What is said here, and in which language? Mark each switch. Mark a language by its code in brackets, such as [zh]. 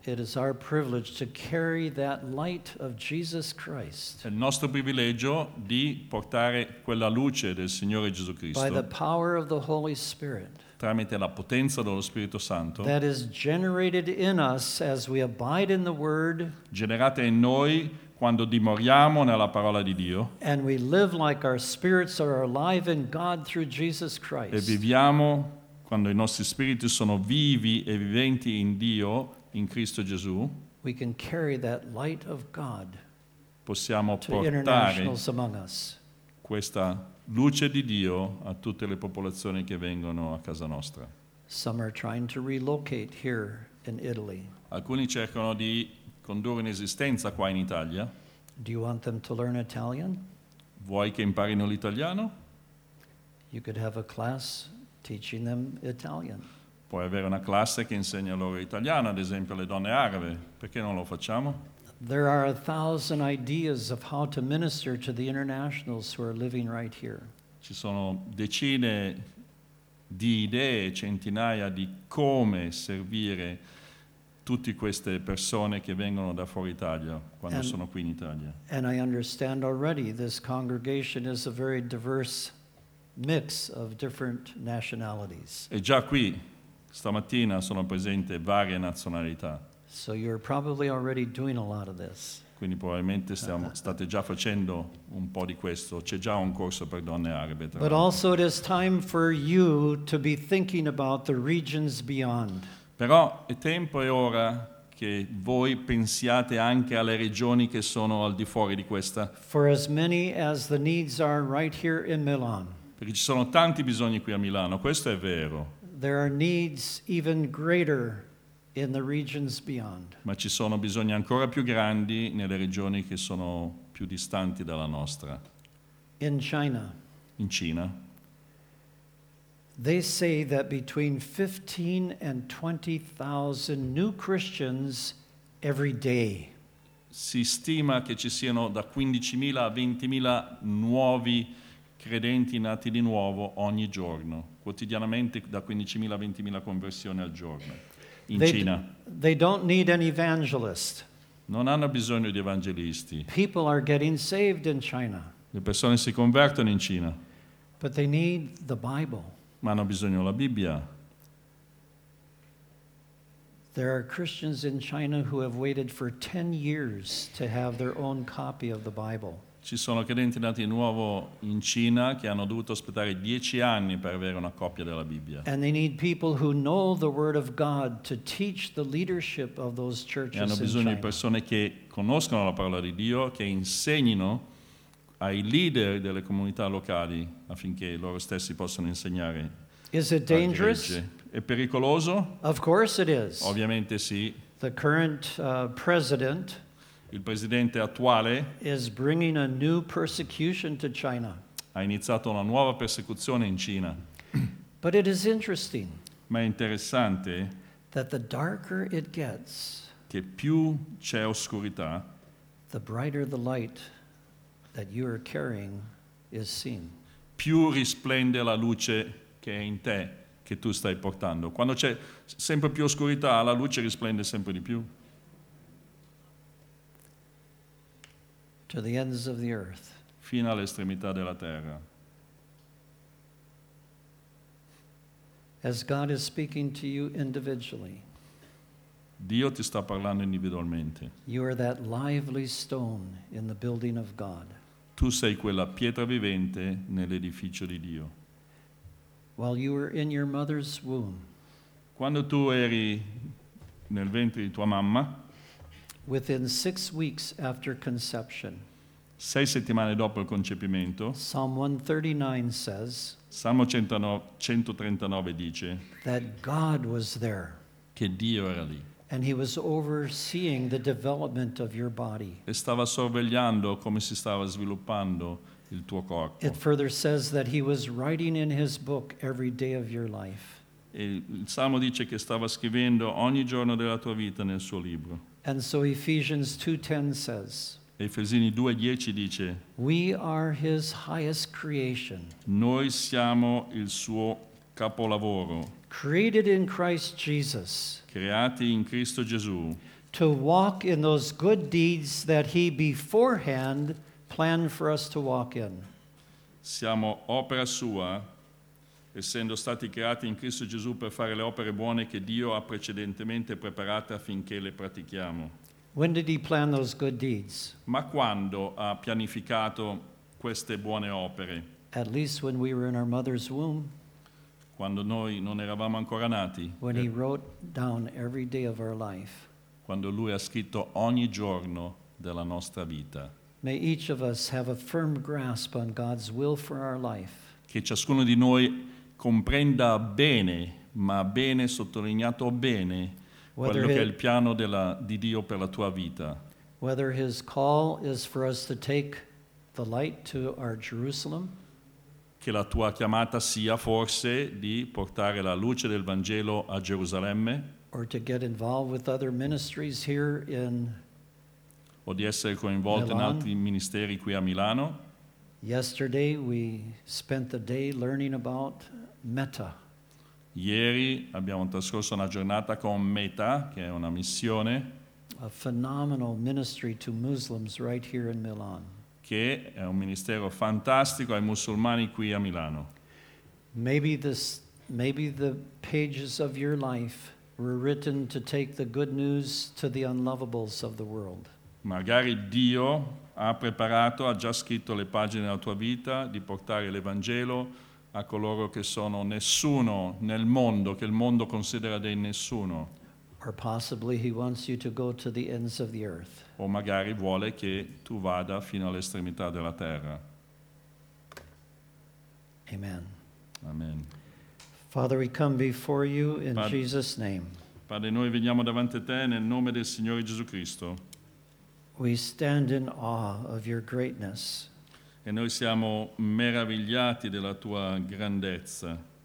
[en] it is our privilege to carry that light of Jesus Christ. [it] È il nostro privilegio di portare quella luce del Signore Gesù Cristo. [en] By the power of the Holy Spirit. [it] Tramite la potenza dello Spirito Santo. [en] That is generated in us as we abide in the Word. [it] Generata in noi quando dimoriamo nella parola di Dio. [en] And we live like our spirits are alive in God through Jesus Christ. [it] E viviamo quando i nostri spiriti sono vivi e viventi in Dio, in Cristo Gesù. [en] We can carry that light of God. [it] Possiamo [en] to [it] portare [en] among us. [it] Questa luce di Dio a tutte le popolazioni che vengono a casa nostra. [en] Some are trying to relocate here in Italy. [it] Alcuni cercano di condurre un'esistenza qua in Italia. [en] Do you want them to learn Italian? [it] Vuoi che imparino l'italiano? [en] You could have a class teaching them Italian. [it] Puoi avere una classe che insegna loro italiano, ad esempio le donne arabe. Perché non lo facciamo? [en] There are a thousand ideas of how to minister to the internationals who are living right here. [it] Ci sono decine di idee, centinaia di come servire tutte queste persone che vengono da fuori Italia quando sono qui in Italia. [en] And I understand already this congregation is a very diverse mix of different nationalities. [it] E già qui stamattina sono presente varie nazionalità. [en] So you're probably already doing a lot of this. [it] Quindi probabilmente state già facendo un po' di questo. C'è già un corso per donne arabe. [en] But also it is time for you to be thinking about the regions beyond. [it] Però è tempo e ora che voi pensiate anche alle regioni che sono al di fuori di questa. [en] For as many as the needs are right here in Milan. [it] Perché ci sono tanti bisogni qui a Milano, questo è vero. [en] There are needs even greater in the regions beyond. [it] Ma ci sono bisogni ancora più grandi nelle regioni che sono più distanti dalla nostra. [en] In China. [it] In Cina. [en] They say that between 15 and 20,000 new Christians every day. [it] Si stima che ci siano da 15.000 a 20.000 nuovi credenti nati di nuovo ogni giorno, quotidianamente da 15.000 a 20.000 conversioni al giorno in Cina. [en] They don't need an evangelist. [it] Non hanno bisogno di evangelisti. [en] People are getting saved in China. [it] Le persone si convertono in Cina. [en] But they need the Bible. [it] Ma hanno bisogno della Bibbia. [en] There are Christians in China who have waited for 10 years to have their own copy of the Bible. [it] Ci sono credenti nati di nuovo in Cina che hanno dovuto aspettare 10 anni per avere una copia della Bibbia. [en] And they need people who know the word of God to teach the leadership of those churches. [it] E hanno bisogno di persone che conoscono la parola di Dio, che insegnino ai leader delle comunità locali affinché loro stessi possano insegnare. [en] Is it dangerous? [it] È pericoloso? [en] Of course it is. [it] Ovviamente sì. [en] The current president. [it] Il presidente attuale [en] is bringing a new persecution to China. [it] Ha iniziato una nuova persecuzione in Cina. [en] But it is interesting. [it] Ma è interessante [en] that the darker it gets, [it] che più c'è oscurità, [en] the brighter the light that you are carrying is seen. [it] Più risplende la luce che è in te, che tu stai portando. Quando c'è sempre più oscurità, la luce risplende sempre di più. [en] To the ends of the earth. [it] Fino all'estremità della terra. [en] As God is speaking to you individually. [it] Dio ti sta parlando individualmente. [en] You are that lively stone in the building of God. [it] Tu sei quella pietra vivente nell'edificio di Dio. [en] While you were in your mother's womb. [it] Quando tu eri nel ventre di tua mamma. [en] Within 6 weeks after conception. [it] 6 settimane dopo il concepimento. [en] Psalm 139 says. [it] Salmo 139 dice. [en] That God was there. [it] Che Dio era lì. [en] And he was overseeing the development of your body. [it] E stava sorvegliando come si stava sviluppando il tuo corpo. [en] It further says that he was writing in his book every day of your life. [it] E il Salmo dice che stava scrivendo ogni giorno della tua vita nel suo libro. [en] And so Ephesians 2:10 says. [it] Efesini 2:10 dice. [en] We are his highest creation. [it] Noi siamo il suo capolavoro. [en] Created in Christ Jesus. [it] Creati in Cristo Gesù. [en] To walk in those good deeds that he beforehand planned for us to walk in. [it] Siamo opera sua, essendo stati creati in Cristo Gesù per fare le opere buone che Dio ha precedentemente preparate affinché le pratichiamo. [en] When did he plan those good deeds? [it] Ma quando ha pianificato queste buone opere? [en] At least when we were in our mother's womb. [it] Quando noi non eravamo ancora nati. [en] When he wrote down every day of our life. [it] Quando lui ha scritto ogni giorno della nostra vita. [en] May each of us have a firm grasp on God's will for our life. [it] Che ciascuno di noi comprenda bene, ma bene sottolineato bene, quello che è il piano di Dio per la tua vita. [en] Whether his call is for us to take the light to our Jerusalem. [it] Che la tua chiamata sia forse di portare la luce del Vangelo a Gerusalemme. [en] Or to get involved with other ministries here in [it] o di essere coinvolto in altri ministeri qui a Milano. [en] Yesterday we spent the day learning about Meta. [it] Ieri abbiamo trascorso una giornata con Meta, che è una missione. [en] A phenomenal ministry to Muslims right here in Milan. [it] Che è un ministero fantastico ai musulmani qui a Milano. [en] Maybe the pages of your life were written to take the good news to the unlovables of the world. [it] Magari Dio ha preparato, ha già scritto le pagine della tua vita di portare l'Evangelo a coloro che sono nessuno nel mondo, che il mondo considera dei nessuno. [en] Or possibly he wants you to go to the ends of the earth. [it] O magari vuole che tu vada fino all'estremità della terra. [en] Amen. [it] Amen. [en] Father, we come before you in Jesus' name. [it] Padre, noi veniamo davanti a te nel nome del Signore Gesù Cristo. [en] We stand in awe of your greatness. [it] E noi siamo meravigliati della tua grandezza.